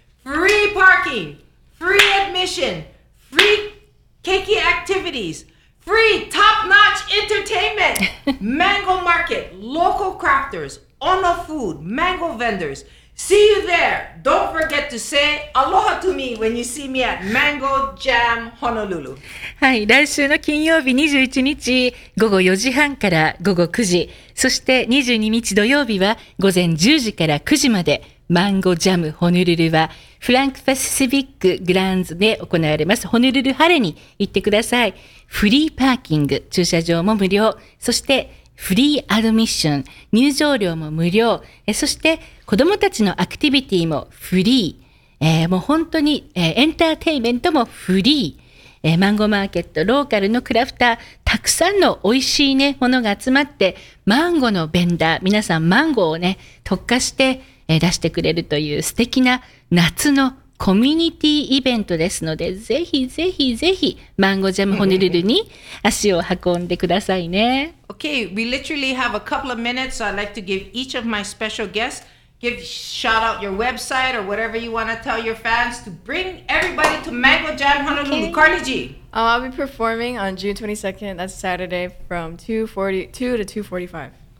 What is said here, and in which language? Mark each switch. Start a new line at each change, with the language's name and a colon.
English: Free parking, free admission, free keiki activities, free top-notch entertainment, mango market, local crafters, ono food, mango vendors. See you there. Don't forget to say aloha to me when you see me at Mango Jam Honolulu.
Japanese: はい、来週の金曜日21日午後4時半から午後9時、そして22日土曜日は午前10時から9時まで、マンゴージャムホヌルルはフランクパシフィックグランズで行われます。ホヌルル晴れに行ってください。フリーパーキング、駐車場も無料、そしてフリーアドミッション、入場料も無料、そして子供たちのアクティビティもフリー、もう本当に、エンターテイメントもフリー、マンゴーマーケット、ローカルのクラフター、たくさんの美味しいね、ものが集まって、マンゴーのベンダー、皆さんマンゴーをね、特化して、出してくれるという素敵な夏のコミュニティイベントですので、ぜひぜひぜひ、マンゴージャムホヌルルに足を運んでくださいね。
English: Okay, we literally have a couple of minutes, so I'd like to give each of my special guests, give shout out your website or whatever you want to tell your fans to bring everybody to Mango Jam Honolulu. Okay. Carly G. I'll be performing on June 22nd, that's Saturday, from 2 to 2:45.